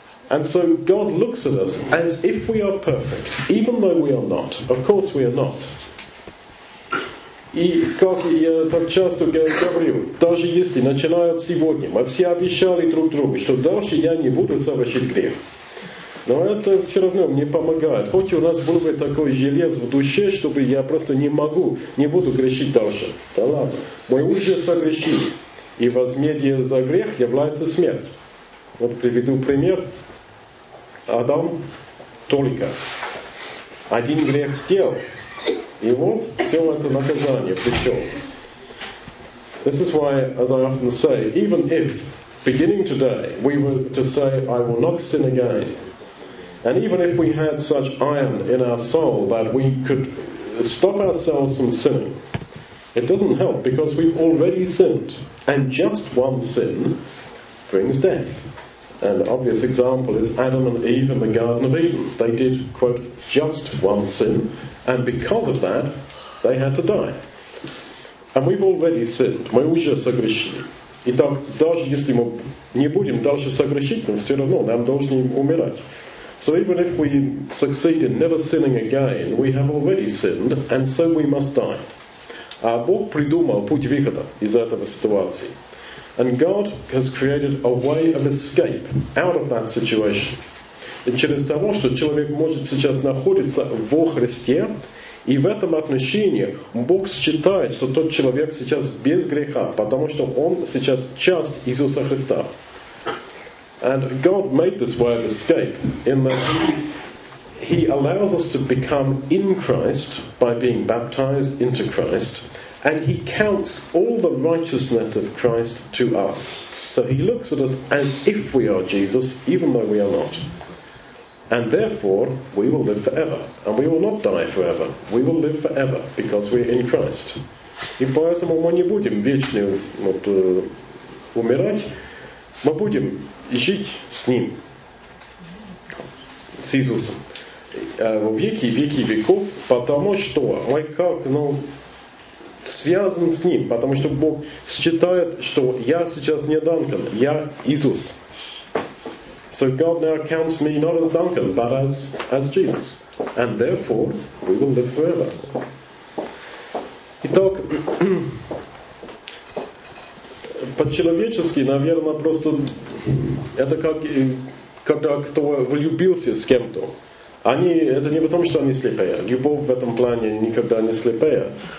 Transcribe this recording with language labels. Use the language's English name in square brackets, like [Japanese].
[English] And so God looks at us as if we are perfect, even though we are not. Of course we are not. [Russian] И как я так часто говорю, даже если начинаю от сегодня, мы все обещали друг другу, что дальше я не буду совершить грех. Но это все равно мне помогает. Хоть у нас был бы такой желез в душе, чтобы я просто не могу, не буду грешить дальше. Да ладно, мы уже согрешили. И возмездие за грех является смерть. Вот приведу пример. Адам только один грех сделал. И вот все это наказание пришел. [English] This is why, as I often say, even if, beginning today, we were to say, I will not sin again, and even if we had such iron in our soul that we could stop ourselves from sinning, it doesn't help because we've already sinned. And just one sin brings death. And an obvious example is Adam and Eve in the Garden of Eden. They did, quote, just one sin, and because of that, they had to die. And we've already sinned. [Russian] Мы уже согрешили. Итак, даже если мы не будем дальше согрешить, все равно нам должны умирать. [English] So even if we succeed in never sinning again, we have already sinned, and so we must die. [Russian] А Бог придумал путь выхода из этого ситуации. [English] And God has created a way of escape out of that situation. [Russian] И через того, что человек может сейчас находиться во Христе, и в этом отношении Бог считает, что тот человек сейчас без греха, потому что он сейчас часть Иисуса Христа. [English] And God made this way of escape in that He allows us to become in Christ by being baptized into Christ. And he counts all the righteousness of Christ to us. So he looks at us as if we are Jesus, even though we are not. And therefore, we will live forever. And we will not die forever. We will live forever, because we are in Christ. [Russian] И поэтому мы не будем вечно умирать. Мы будем жить с ним. С Иисусом. В веки, веки, веков. Потому что мы как, ну... связан с ним, потому что Бог считает, что я сейчас не Данкан, я Иисус. [English] So God now counts me not as Danкан, but as Jesus. And therefore, we will live forever. [Russian] Итак, по-человечески, наверное, просто это как когда кто влюбился с кем-то. Они, это не потому, что они слепые. Любовь в этом плане никогда не слепая.